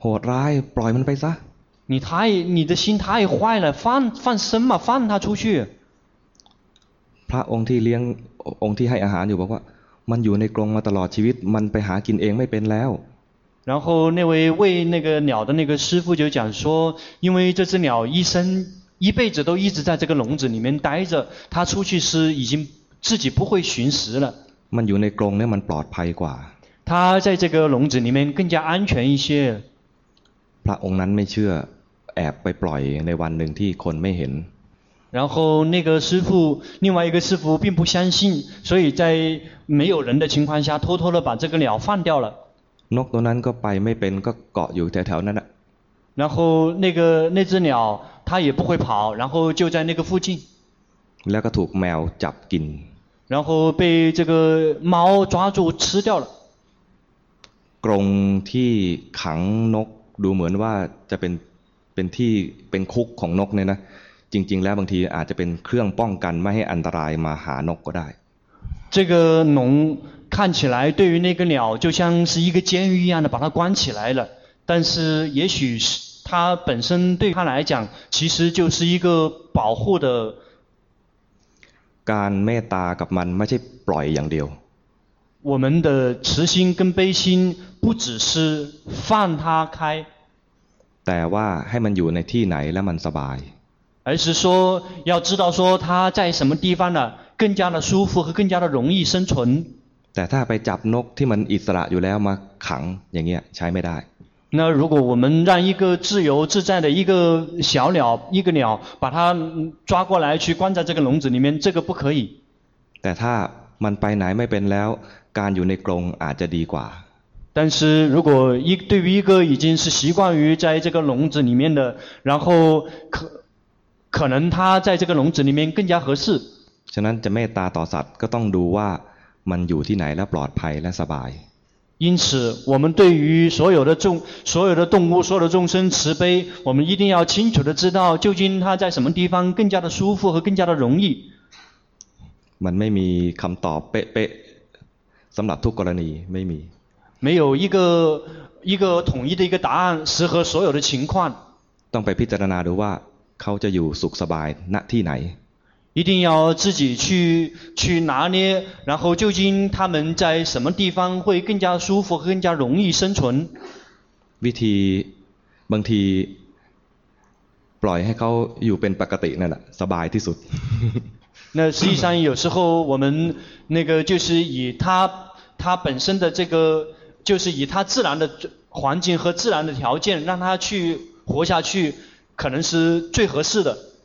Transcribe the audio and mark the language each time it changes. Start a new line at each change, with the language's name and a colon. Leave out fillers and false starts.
Thai: โหดร้ายปล่อยมันไปซะ。
Chinese: 你的心太坏了，放生嘛，放它出去。
Thai: พระองค์ที่เลี้ยงองค์ที่ให้อาหารอยู่บอกว่ามันอยู่ในกรงมาตลอดชีวิตมันไปหากินเองไม่เป็นแล้ว。
Chinese: 然后那位喂那个鸟的那个师父就讲说，因为这只鸟一辈子都一直在这个笼子里面待着，它出去是已经自己不会寻食了。
Thai: มันอยู่ในกรงเนี่ยมันปลอดภัยกว่า。
Chinese: 它在这个笼子里面更加安全一些。
Thai: พระองค์นั้นไม่เชื่อแอบไปปล่อยในวันหนึ่งที่คนไม่เห็น。
Chinese: 然后那个师父，另外一个师父并不相信，所以在没有人的情况下，偷偷的把这个鸟放掉了。
Thai: นกตัวนั้นก็ไปไม่เป็นก็เกาะอยู่แถวๆนั้นแ หละ
Chinese: 然后那只鸟它也不会跑然后就在那个附近
Thai: แล้วก็ถูกแมวจับกิน
Chinese: 然后被这个猫抓住吃掉了
Thai: กรงที่ขังนกดูเหมือนว่าจะเป็นที่เป็นคุกของนกเนี่ยนะจริงๆแล้วบางทีอาจจะเป็นเครื่องป้องกันไม่ให้อันตรายมาหานกก็ได้
Chinese: 这个笼看起来对于那个鸟就像是一个监狱一样的把它关起来了但是也许是它本身对它来讲其实就是一个保护的
Thai: การเมตตากับมันไม่ใช่ปล่อยอย่างเดียว
Chinese: 我们的慈心跟悲心不只是放它开
Thai: แต่ว่าให้มันอยู่ในที่ไหนแล้วมันสบาย
Chinese: 而是说要知道说它在什么地方呢更加的舒服和更加的容易生存
Thai: แต่ถ้าไปจับนกที่มันอิสระอยู่แล้วมาขังอย่างเงี้ยใช้ไม่ได้
Chinese: 那如果我们让一个自由自在的一个小鸟一个鸟把它抓过来去关在这个笼子里面这个不可以
Thai: แต่ถ้ามันไปไหนไม่เป็นแล้วการอยู่ในกรงอาจจะดีกว่า
Chinese: 但是如果对于一个已经是习惯于在这个笼子里面的然后可能它在这个笼子里面更加合适
Thai: ฉะนั้นจะเมตตาต่อสัตว์ก็ต้องดูว่ามันอยู่ที่ไหนแล้วปลอดภัยและสบาย
Chinese: 因此我们对于所有的动物所有的众生慈悲我们一定要清楚的知道究竟它在什么地方更加的舒服和更加的容易
Thai: มันไม่มีคำตอบเป๊ะๆสำหรับทุกกรณีไม่มี
Chinese: 没有一个统一的一个答案适合所有的情况
Thai: ต้องไปพิจารณาดูว่าเขาจะอยู่สุขสบายณที่ไหน
Chinese: 一定要自己去拿捏然后究竟他们在什么地方会更加舒服更加容易生存
Thai: วิธีบางทีปล่อยให้เขาอยู่เป็นปกตินั่นแหละสบายที่สุด
Chinese: 那实际上有时候我们那个就是以他本身的这个就是以他自然的环境和自然的条件让他去活下去可能是最合适的